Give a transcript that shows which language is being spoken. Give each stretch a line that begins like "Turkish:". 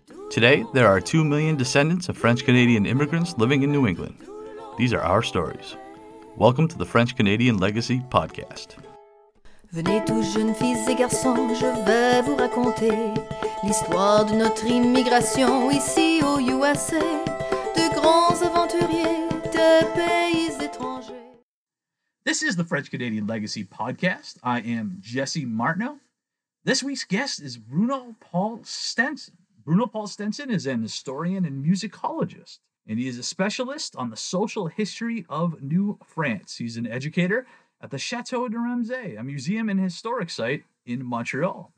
English: Today, there are 2 million descendants of French-Canadian immigrants living in New England. These are our stories. Welcome to the French-Canadian Legacy Podcast.
French: Venez tous jeunes filles et garçons, je vais vous raconter l'histoire de notre immigration ici aux USA. De grands aventuriers de pays étrangers.
English: This is the French-Canadian Legacy Podcast. I am Jesse Martineau. This week's guest is Bruno Paul Stenson. Bruno Paul Stenson is an historian and musicologist, and he is a specialist on the social history of New France. He's an educator at the Chateau de Ramsay, a museum and historic site in Montreal.